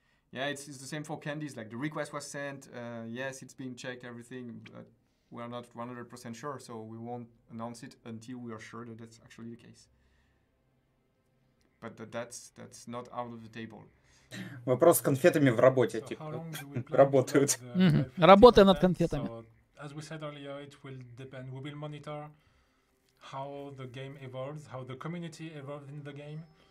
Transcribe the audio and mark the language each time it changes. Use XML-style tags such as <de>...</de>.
<en>Yeah, it's the same for candies. Like the request was sent. Yes, it's being checked, everything, but we are not 100% sure, so we won't announce it until we are sure that that's actually the case. But that's not out of the table.</en> <ru>Вопрос с конфетами в работе, типа. Работают. Работаем над конфетами.</ru> <en>As we said earlier, it will depend. We will monitor how the game evolves, how the community evolves in the game.</en>